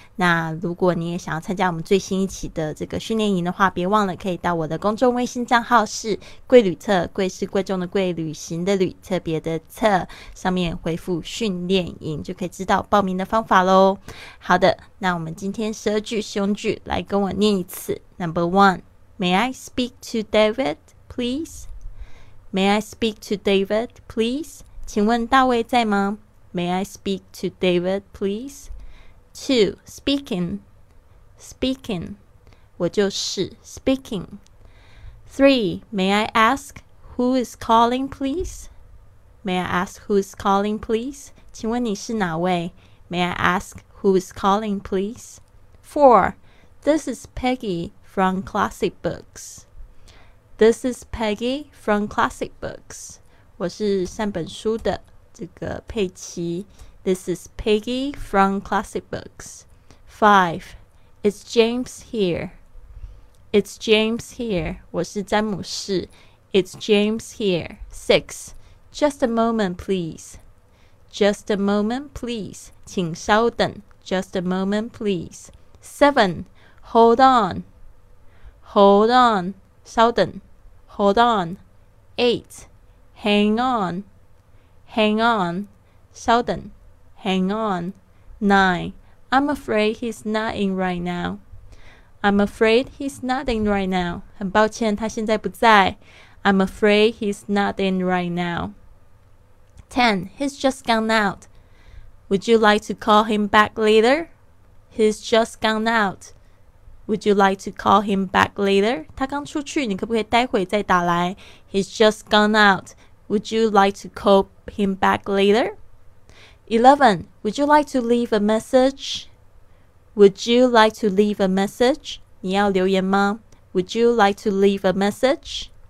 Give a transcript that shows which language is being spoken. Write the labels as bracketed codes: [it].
[zh] 那如果你也想要参加我们最新一期的这个训练营的话，别忘了可以到我的公众微信账号是贵旅策，贵是贵重的贵，旅行的旅，特别的策，上面回复训练营就可以知道报名的方法咯。好的，那我们今天十二句实用句来跟我念一次。 [en] Number one, May I speak to David, please? May I speak to David, please? [zh] 请问大卫在吗？ [en] May I speak to David, please? 2. Speaking. [zh] 我就是 speaking. 3. [en] May I ask who is calling, please? May I ask who is calling, please? [zh] 请问你是哪位？ [en] May I ask who is calling, please? 4. This is Peggy from Classic Books. This is Peggy from Classic Books. [zh] 我是三本书的这个佩奇。 [en] This is Peggy from Classic Books. 5. It's James here. It's James here. [zh] 我是詹姆士。 [en] It's James here. 6. Just a moment, please. Just a moment, please. [zh] 请稍等。 [en] Just a moment, please. 7. Hold on. Hold on. [zh] 稍等。 [en] Hold on. 8. Hang on. Hang on, [zh] 稍等 [en] hang on. 9. I'm afraid he's not in right now. I'm afraid he's not in right now. [zh] 很抱歉他现在不在。 [en] I'm afraid he's not in right now. 10. He's just gone out. Would you like to call him back later? He's just gone out. Would you like to call him back later? [zh] 他刚出去，你可不可以待会再打来？ [en] He's just gone out. Would you like to call him back later? 11. Would you like to leave a message? Would you like to leave a message? [zh] 你要留言吗? [en] Would you like to leave a message?